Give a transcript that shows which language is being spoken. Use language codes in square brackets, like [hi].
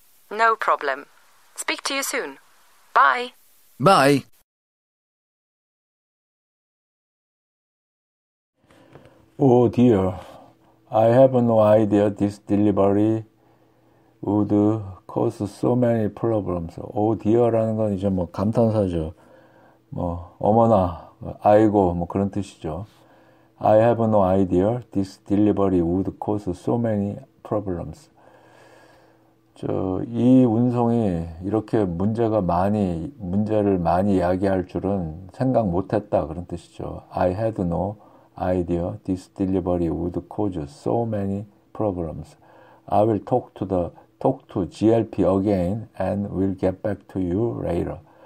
[en] No problem. Speak to you soon. Bye. Bye. [ko] 오, [en] oh dear. I have no idea this delivery would cause so many problems. [ko] 오, [en] oh dear [ko] 라는 건 이제 뭐 감탄사죠. 뭐 어머나, 아이고, 뭐 그런 뜻이죠. [en] I have no idea this delivery would cause so many problems. [ko] 저 이 운송이 이렇게 문제를 많이 야기할 줄은 생각 못했다 그런 뜻이죠. [en] I had no idea this delivery would cause so many problems. I will talk to GLP again and we'll get back to you later.